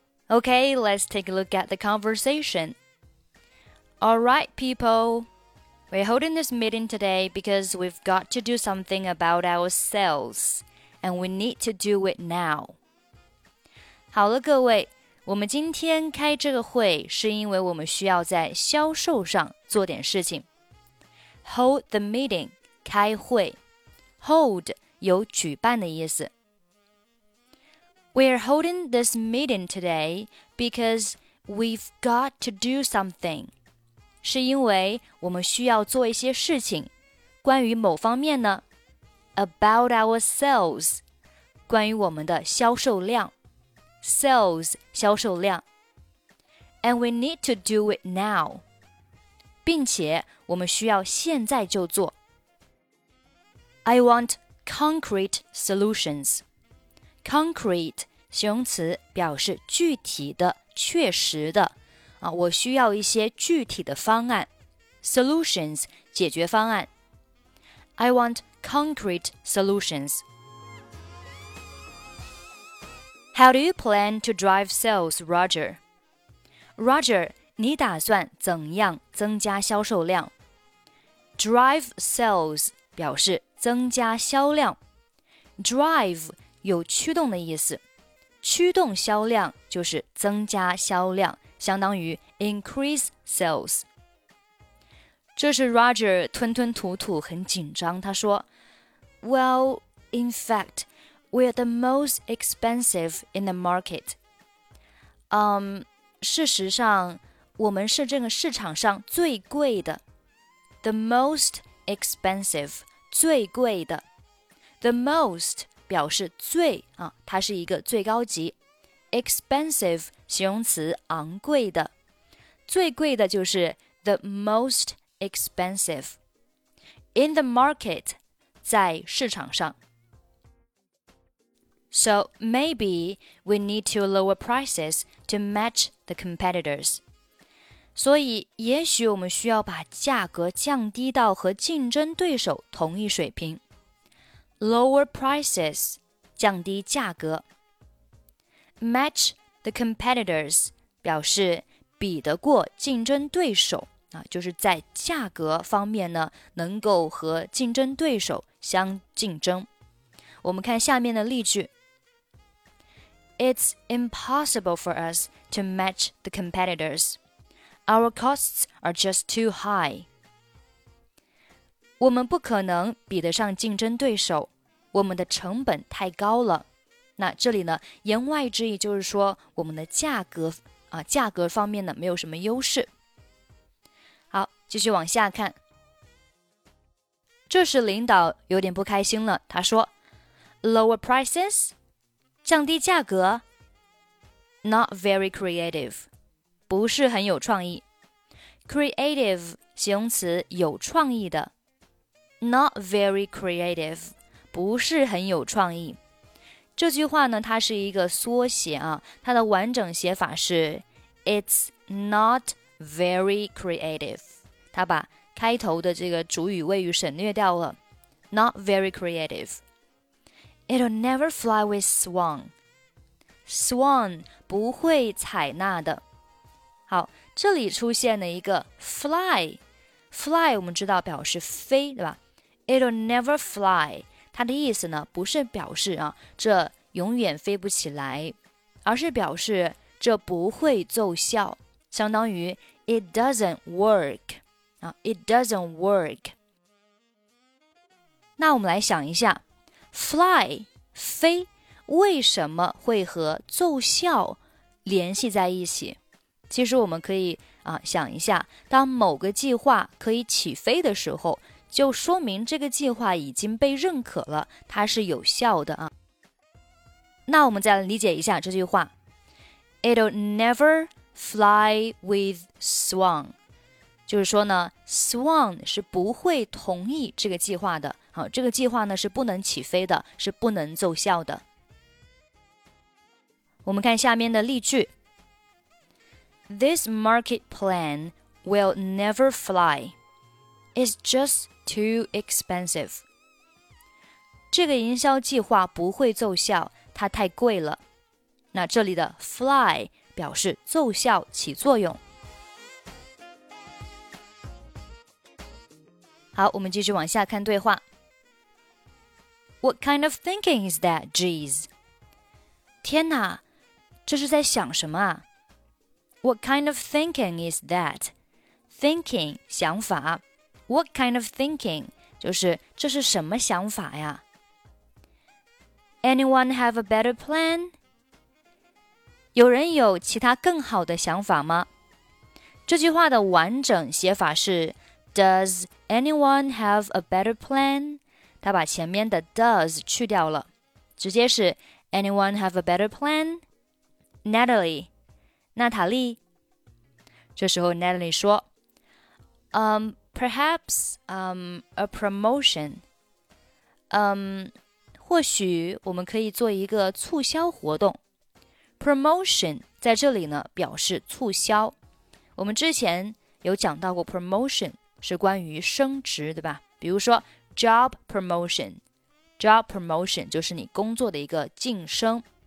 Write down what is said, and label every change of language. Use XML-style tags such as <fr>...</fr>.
<en>Okay, let's take a look at the conversation. All right, people. We're holding this meeting today because we've got to do something about our sales. And we need to do it now.</en> <zh>好了，各位。我们今天开这个会是因为我们需要在销售上做点事情。</zh> <en>Hold the meeting,</en> <zh>开会。 Hold 有举办的意思。</zh> <en>We're holding this meeting today because we've got to do something.</en> <zh>是因为我们需要做一些事情。关于某方面呢 ?</zh> <en>About ourselves,</en> <zh>关于我们的销售量。</zh> <en>Sales,</en> <zh>销售量。</zh> <en>And we need to do it now.</en> <zh>并且我们需要现在就做。</zh> <en>I want concrete solutions.</en> <zh>Concrete, 形容词表示具体的、确实的。啊，我需要一些具体的方案。Solutions, 解决方案。</zh> <en>I want concrete solutions. How do you plan to drive sales, Roger?</en> <zh>Roger, 你打算怎样增加销售量? Drive sales 表示增加销量。 Drive 有驱动的意思。驱动销量就是增加销量,相当于</zh> <en>increase sales。</en> <zh>这是 Roger 吞吞吐吐很紧张,他说</zh> <en>Well, in fact,We are the most expensive in the market.</en> <zh>事实上，我们是这个市场上最贵的。</zh> <en>The most expensive,</en> <zh>最贵的。 The most 表示最，它是一个最高级。 Expensive, 形容词昂贵的。最贵的就是</zh> <en>the most expensive. In the market,</en> <zh>在市场上。</zh> <en>So maybe we need to lower prices to match the competitors.</en> <zh>所以也许我们需要把价格降低到和竞争对手同一水平。</zh> <en>Lower prices,</en> <zh>降低价格。</zh> <en>Match the competitors,</en> <zh>表示比得过竞争对手。啊，就是在价格方面呢，能够和竞争对手相竞争。我们看下面的例句。</zh> <en>It's impossible for us to match the competitors. Our costs are just too high.</en> <zh>我们不可能比得上竞争对手，我们的成本太高了。那这里呢，言外之意就是说，我们的价格方面呢，没有什么优势。好，继续往下看。这时领导有点不开心了，他说</zh> <en>,Lower prices?</en> <zh>降低价格</zh> <en>,not very creative,</en> <zh>不是很有创意。</zh> <en>Creative,</en> <zh>形容词有创意的。</zh> <en>Not very creative,</en> <zh>不是很有创意。这句话呢，它是一个缩写啊，它的完整写法是</zh> <en>It's not very creative.</en> <zh>它把开头的这个主语谓语省略掉了</zh> <en>Not very creative. It'll never fly with swan.</en> <zh>Swan 不会采纳的。好，这里出现了一个 fly. Fly 我们知道表示飞，对吧？ It'll never fly, 它的意思呢不是表示啊这永远飞不起来，而是表示这不会奏效，相当于</zh> <en>it doesn't work,、</en> <zh>啊、it doesn't work. 那我们来想一下 ,fly, 飞为什么会和奏效联系在一起？其实我们可以、啊、想一下，当某个计划可以起飞的时候，就说明这个计划已经被认可了，它是有效的啊。那我们再理解一下这句话</zh> <en>It'll never fly with swan</en> <zh>就是说呢 swan 是不会同意这个计划的、啊、这个计划呢是不能起飞的，是不能奏效的。我们看下面的例句</zh> <en>This market plan will never flyIt's just too expensive.</en> <zh>这个营销计划不会奏效，它太贵了。那这里的 fly 表示奏效起作用。好，我们继续往下看对话。</zh> <en>What kind of thinking is that, geez?</en> <zh>天哪，这是在想什么啊？</zh> <en>What kind of thinking is that? Thinking,</en> <zh>想法。</zh> <en>What kind of thinking?</en> <zh>就是这是什么想法呀</zh> <en>Anyone have a better plan?</en> <zh>有人有其他更好的想法吗？这句话的完整写法是</zh> <en>Does anyone have a better plan?</en> <zh>他把前面的 does 去掉了，直接是 Anyone have a better plan? Natalie 娜塔莉。这时候 Natalie 说</zh> <en>Perhaps, a promotion.</en> <zh>或许我们可以做一个促销活动。 Promotion 在这里呢，表示促销。我们之前有讲到过 promotion 是关于升职，对吧？比如说</zh> <en>job promotion, job promotion</en> <zh>就是你工作的一个晋升。</zh>